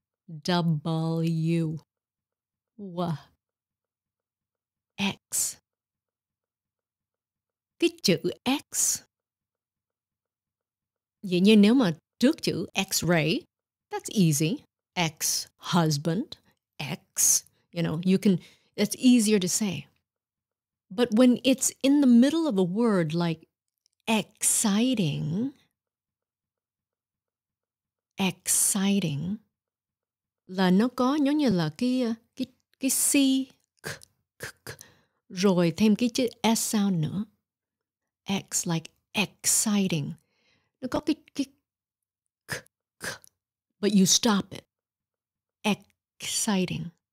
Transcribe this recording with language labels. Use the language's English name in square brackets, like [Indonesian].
[English] W. W. X. [Vietnamese] Cái chữ X. Dĩ nhiên nếu mà trước chữ X-ray, [English] that's easy. X-husband. X. You know, you can, it's easier to say. But when it's in the middle of a word like exciting, exciting, [Vietnamese] là nó có nhớ như là cái C, k, k, rồi thêm cái chữ S sound nữa. [English] X like exciting. [Vietnamese] Nó có cái k, k, [English] but you stop it. Exciting.